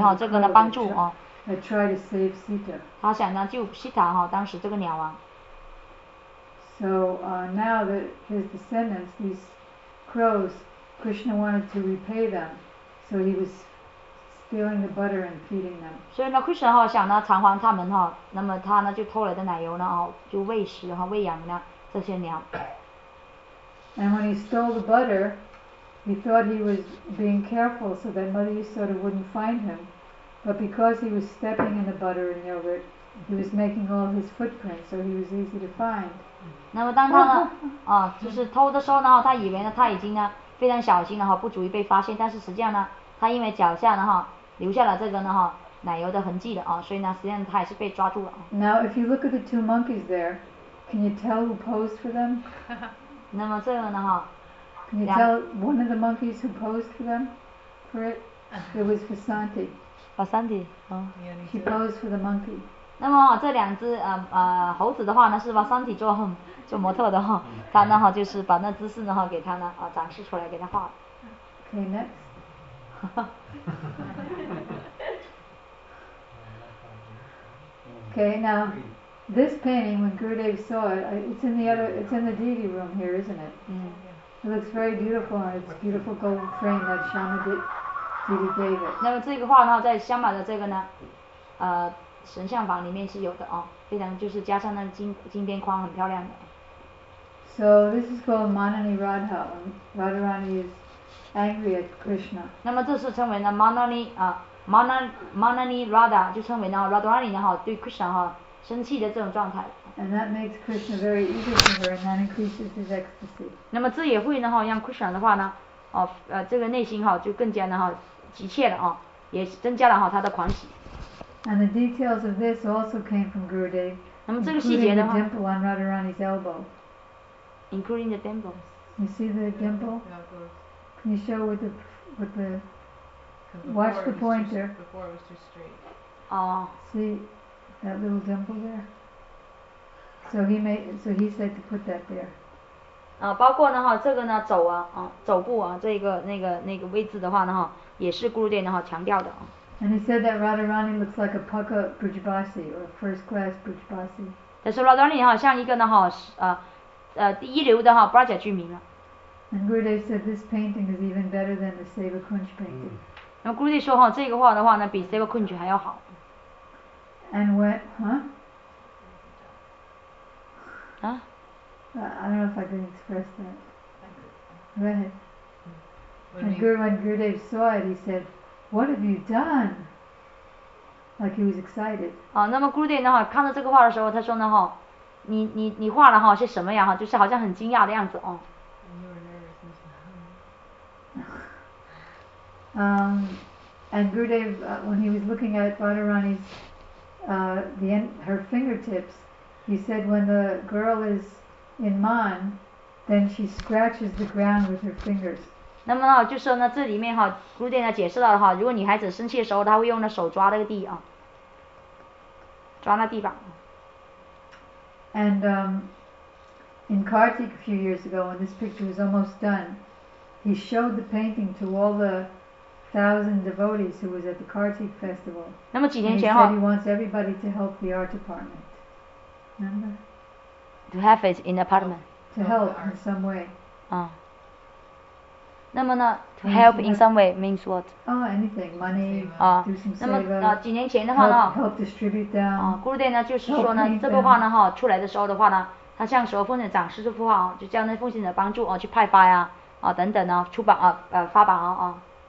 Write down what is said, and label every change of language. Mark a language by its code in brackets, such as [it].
[zh] 哈这个呢帮助啊。 [en] I tried to save Sita. [zh] 他想呢救 Sita 哈，当时这个鸟王。 [en] So now that his descendants, these crows, Krishna wanted to repay them, so he was stealing the butter and feeding them. [zh] 所以呢 ，Krishna 哈想呢偿还他们哈，那么他呢就偷来的奶油呢哦，就喂食哈喂养呢这些鸟。 [en] And when he stole the butter, he thought he was being careful so that Mother Yasoda wouldn't find him. But because he was stepping in the butter and yogurt, he was making all his footprints, so he was easy to find. [zh] 那么当他呢，啊，就是偷的时候呢，他以为呢他已经呢非常小心了哈，不足以被发现。但是实际上呢，他因为脚下呢哈留下了这个呢哈奶油的痕迹的啊，所以呢实际上他也是被抓住了。 [en] Now, if you look at the two monkeys there, can you tell who posed for them? [zh] 那么这个呢哈 [en] ？Can you tell one of the monkeys who posed for them? For it, it was Vasanti. Vasanti, 啊，He posed for the monkey. [zh] 那么这两只猴子的话呢，是 Vasanti 做模特的哈，他呢哈就是把那姿势呢哈给他呢展示出来，给他画。 [en] Okay, next. Okay, now. This painting, when Gurudev saw it, it's in the deity room here, isn't it? Yeah. It looks very beautiful, and it's beautiful golden frame that Shyama deity gave it. [zh] 那么这个画呢，在香马的这个呢，神像房里面是有的哦，非常就是加上那金边框，很漂亮的。 [en] So this is called Manani Radha. Radharani is angry at Krishna. [zh] 那么这是称为呢 Manani 啊 Manani Radha 就称为呢 Radharani 呢哈对 Krishna 哈。生气的这种状态。 [en] And that makes Krishna very eager for her, and that increases his ecstasy. [zh] 那么这也会呢哈，让 Krishna 的话呢，哦，这个内心哈就更加的哈急切了哦，也增加了哈他的狂喜。 [en] And the details of this also came from Gurudev. [zh] 那么这个细节的话。 [en] Including the dimple on Radharani's elbow. Including the dimple. You see the dimple? Yeah, of course. Can you show with the watch the pointer? Before it was too straight. Oh. See. That little dimple there. So he made. So he said to put that there. [zh] 啊，包括呢哈，这个呢走啊，啊走步啊，这个那个位置的话呢哈，也是Gurudev呢哈强调的啊。 [en] And he said that Radharani looks like a pucker Brijbasi or first class Brijbasi. [zh] 他说Radharani哈像一个呢哈第一流的哈Braj居民了。 [en] And Gurudev said this painting is even better than the Sevakunj painting. [zh] 那Gurudev说哈，这个画的话呢，比Sevakunj还要好。 [en] And when, huh? Huh? I don't know if I can express that. Go ahead. When Gurudev saw it, he said, "What have you done?" Like he was excited. [zh] 啊，那么 Gurudev 呢？哈，看到这个画的时候，他说呢，哈，你画了哈是什么呀？哈，就是好像很惊讶的样子哦。 [en] And Gurudev, when he was looking at Radharani's her fingertips, he said, when the girl is in man, then she scratches the ground with her fingers. [zh] 那么就说呢，这里面哈，古典呢解释到的哈，如果女孩子生气的时候，她会用那手抓那个地啊，抓那地板。 [en] And in Kartik a few years ago, when this picture was almost done, he showed the painting to all the thousand devotees who was at the Kartik festival. [zh] 那么几年前哈 [en] ，He said he wants everybody to help the art department. Remember? To have it in the apartment. To help in some way. 啊、那么呢 ，to help in some way means what? Anything, money. 啊、 do some saving. [zh] 那么几年前的话呢 [en] ，help distribute them. [zh] 啊 ，Gurudev 呢就是说呢，这个话呢哈出来的时候的话呢，他向所有奉献展示这幅画啊，就叫那奉献者帮助啊去派发呀 啊等等啊出版啊发版啊啊。